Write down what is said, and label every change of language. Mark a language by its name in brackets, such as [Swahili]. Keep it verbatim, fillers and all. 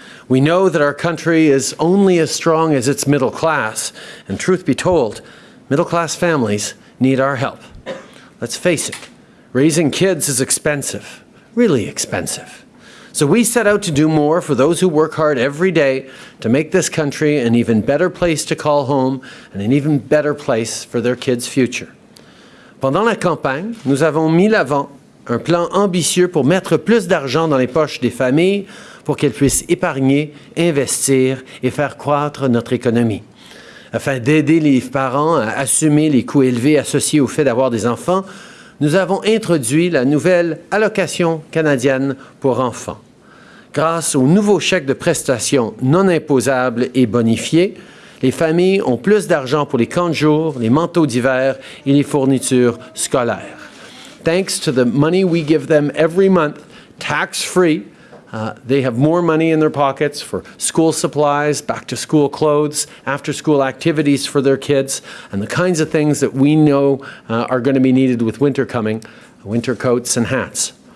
[English] We know that our country is only as strong as its middle class, and truth be told, middle-class families need our help. Let's face it, raising kids is expensive, really expensive. So we set out to do more for those who work hard every day to make this country an even better place to call home and an even better place for their kids' future. [French] Pendant la campagne, nous avons mis l'avant un plan ambitieux pour mettre plus d'argent dans les poches des familles pour qu'elles puissent épargner, investir et faire croître notre économie. Afin d'aider les parents à assumer les coûts élevés associés au fait d'avoir des enfants, nous avons introduit la nouvelle allocation canadienne pour enfants. Grâce au nouveau chèque de prestations non imposable et bonifié, les familles ont plus d'argent pour les camps de jour, les manteaux d'hiver et les fournitures scolaires. [English] Thanks to the money we give them every month, tax-free, Uh, they have more money in their pockets for school supplies, back-to-school clothes, after-school activities for their kids, and the kinds of things that we know uh, are going to be needed with winter coming, winter coats and hats.